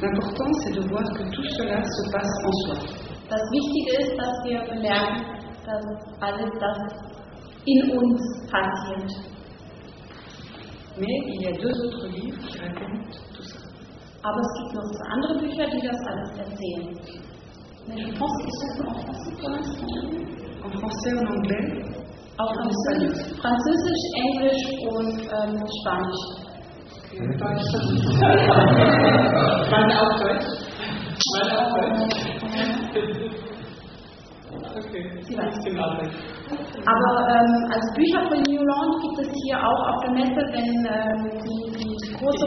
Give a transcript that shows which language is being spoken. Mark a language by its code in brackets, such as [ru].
[fr] L'important, c'est de voir que tout cela se passe en soi. [de] Das Wichtige ist, dass wir lernen, dass alles das in uns passiert. [fr] Mais il y a deux autres livres qui racontent tout ça. [de] Aber es gibt noch zwei andere Bücher, die das alles erzählen. [fr] Mais je pense qu'ils sont en français pour l'instant. En français, en anglais. En français. [de] Französisch, Englisch und Spanisch. Aber als Bücher von New Lawn gibt es hier auch auf der Messe, wenn die große